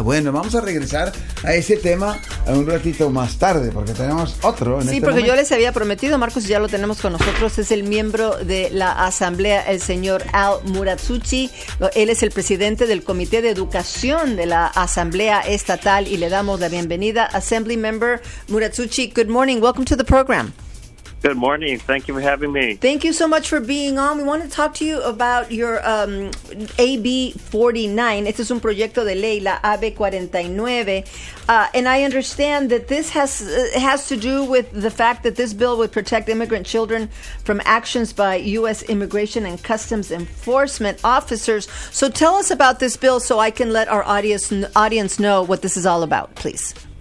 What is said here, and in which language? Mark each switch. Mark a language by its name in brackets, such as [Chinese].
[Spanish] Bueno, vamos a regresar a ese tema un ratito más tarde, porque tenemos otro en sí, este porque momento. Yo les había prometido, Marcos, y ya lo tenemos con nosotros, es el miembro de la asamblea, el señor Al Muratsuchi. Él es el presidente del Comité de Educación de la Asamblea Estatal, y le damos la bienvenida. [English] Assembly Member Muratsuchi, good morning, welcome to the program. Good morning. Thank you for having me. Thank you so much for being on. We want to talk to you about your AB 49. [Spanish] Este es un proyecto de ley, la AB 49. [English] And I understand that this has to do with the fact that this bill would protect immigrant children from actions by U.S. Immigration and Customs Enforcement officers. So tell us about this bill so I can let our audience know what this is all about, please.